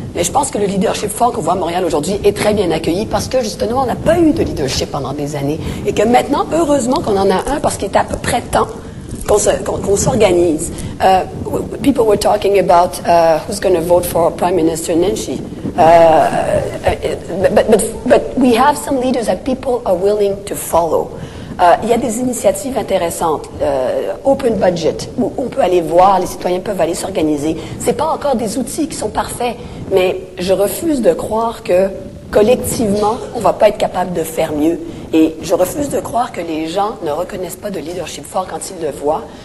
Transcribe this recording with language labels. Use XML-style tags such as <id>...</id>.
<fr>Mais je pense que le leadership fort qu'on voit à Montréal aujourd'hui est très bien accueilli parce que, justement, on n'a pas eu de leadership pendant des années. Et que maintenant, heureusement qu'on en a un parce qu'il est à peu près temps qu'on s'organise.</fr> <en>People were talking about who's going to vote for Prime Minister Nenshi. But we have some leaders that people are willing to follow.</en> <fr>Il y a des initiatives intéressantes, open budget, où on peut aller voir, les citoyens peuvent aller s'organiser. Ce n'est pas encore des outils qui sont parfaits, mais je refuse de croire que collectivement, on ne va pas être capable de faire mieux. Et je refuse de croire que les gens ne reconnaissent pas de leadership fort quand ils le voient.</fr>